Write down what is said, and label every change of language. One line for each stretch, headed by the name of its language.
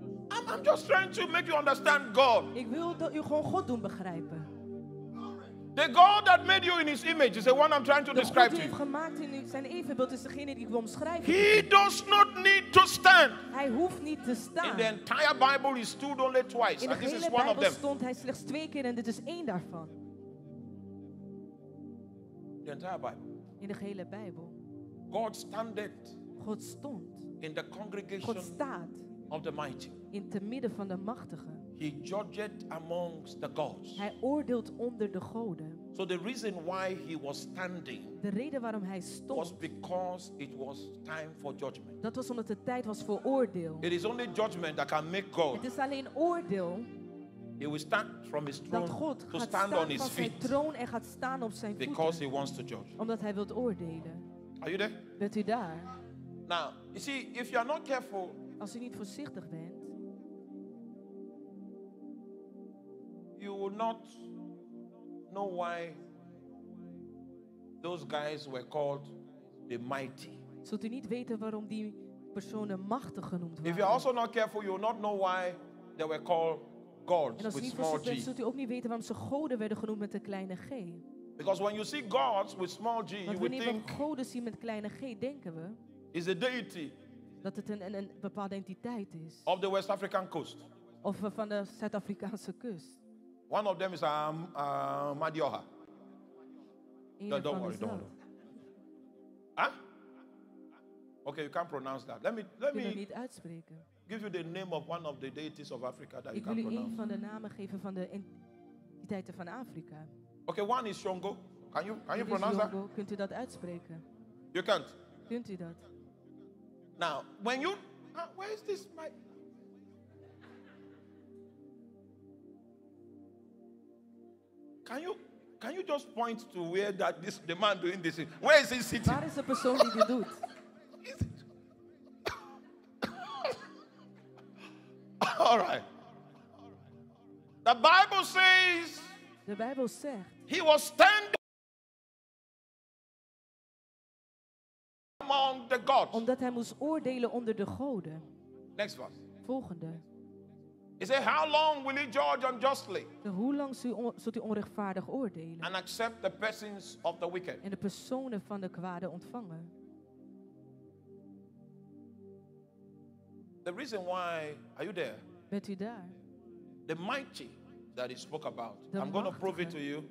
English: I'm just trying to make you understand God.
Dutch: Ik wil dat u gewoon God doen begrijpen.
English: The God that made you in his image is the one I'm trying to describe to you.
Dutch: De God die heeft gemaakt in zijn evenbeeld is degene die ik wil omschrijven.
English: He does not need to stand.
Dutch: Hij hoeft niet te staan.
English: In the entire Bible he stood only twice. And this is one of them.
Dutch: Bijbel stond hij slechts twee keer en dit is één daarvan.
English: The entire Bible.
Dutch: In de hele Bijbel.
English: God standeth.
Dutch: God stond.
English: In the congregation.
Dutch: God staat.
English: Of the mighty.
Dutch: In te midden van de machtigen.
English: He judgeth amongst the gods.
Dutch: Hij oordeelt onder de goden.
English: So the reason why he was standing.
Dutch: De reden waarom hij stond.
English: Was because it was time for judgment.
Dutch: Dat was omdat het tijd was voor oordeel.
English: It is only judgment that can make God.
Dutch: Het is alleen oordeel.
English: He will stand from his throne.
Dutch: Dat God
English: to stand on his feet.
Dutch: Zijn troon en gaat staan op zijn
English: because
Dutch: voeten.
English: Because he wants to judge.
Dutch: Omdat hij wilt oordelen.
English: Are you there?
Dutch: Bent u daar?
English: Now, you see, if you are not careful.
Dutch: Als u niet voorzichtig bent,
English: you will not know why those guys were called the mighty.
Dutch: Zult u niet weten waarom die personen machtig genoemd waren?
English: If you are also not careful, you will not know why they were called gods with small g.
Dutch: En als u niet voorzichtig bent, zult u ook niet weten waarom ze goden werden genoemd met een kleine g.
English: Because when you see gods with small g, you will think.
Dutch: Want wanneer we goden zien met kleine g, denken we.
English: Is a deity.
Dutch: Dat het een bepaalde entiteit is.
English: Of the West African coast.
Dutch: Of van de Zuid-Afrikaanse kust.
English: One of them is Madioha. Don't worry. Huh? Okay, you can't pronounce that. Let me
Dutch: niet uitspreken.
English: Give you the name of one of the deities of Africa that
Dutch: ik
English: you can't pronounce.
Dutch: Ik wil u een van de namen geven van de entiteiten van Afrika.
English: Okay, one is Shongo. Can you pronounce Shongo. That?
Dutch: Kunt u dat uitspreken?
English: You can't.
Dutch: Kunt u dat?
English: Now, when you... where is this mic? Can you just point to where that this the man doing this is? Where is he sitting?
Dutch: Waar is de persoon die dit doet?
English: All right. The Bible says...
Dutch: De Bijbel zegt...
English: He was standing... The gods.
Dutch: Omdat hij moest oordelen onder de goden.
English: Next verse.
Dutch: Volgende.
English: He said, "How long will he judge unjustly?
Dutch: Hoe lang zult u onrechtvaardig oordelen?
English: And accept the persons of the wicked.
Dutch: En de personen van de kwade ontvangen."
English: The reason why are you there?
Dutch: Bent u daar?
English: The mighty that he spoke about. I'm going to prove it to you.